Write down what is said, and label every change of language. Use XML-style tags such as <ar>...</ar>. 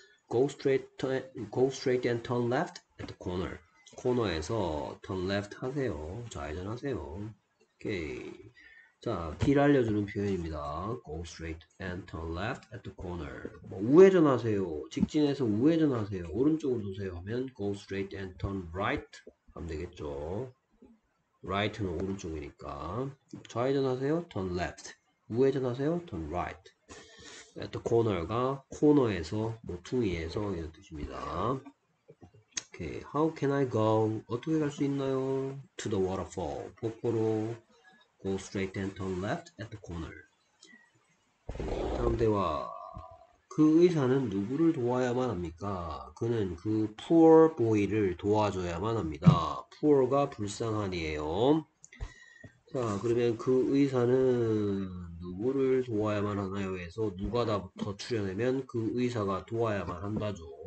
<en>Go straight and turn left at the corner.</en> <ko>코너에서</ko> <en>turn left</en> <ko>하세요. 좌회전하세요. 오케이. 자, 길 알려주는 표현입니다.</ko> <en>Go straight and turn left at the corner.</en> <ko>뭐 우회전하세요. 직진해서 우회전하세요. 오른쪽으로 도세요 하면</ko> <en>Go straight and turn right</en> <ko>하면 되겠죠. Right는 오른쪽이니까. 좌회전하세요.</ko> <en>Turn left.</en> <ko>우회전하세요.</ko> <en>Turn right.</en> <ko>At the corner가 코너에서 모퉁이에서 이런 뜻입니다. Okay.</ko> <en>How can I go?</en> <ko>어떻게 갈 수 있나요?</ko> <en>To the waterfall.</en> <ko>폭포로.</ko> <en>Go straight and turn left at the corner.</en> <ko>다음 대화. 그 의사는 누구를 도와야만 합니까? 그는 그</ko> <en>poor boy</en> <ko>를 도와줘야만 합니다. poor가 불쌍하니에요. 자, 그러면 그 의사는 누구를 도와야만 하나요? 해서 누가다부터 출연하면 그 의사가 도와야만 한다죠.</ko>